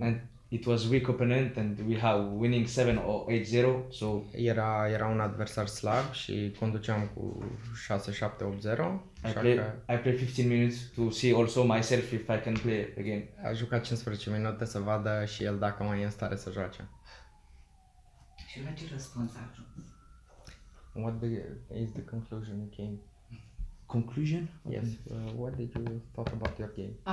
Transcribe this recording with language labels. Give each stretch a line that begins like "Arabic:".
English: And it was weak opponent and we have winning 7-0, so
Romanian: era un adversar slab și conduceam cu 6-7-8-0.
English: I play 15 minutes to see also myself if I can play again.
Romanian: A jucat 15 minute să vadă și el dacă mai e în stare să joace. Și la ce răspuns a ajuns?
English: What is the conclusion you came? Conclusion? Yes. What did you talk about your game?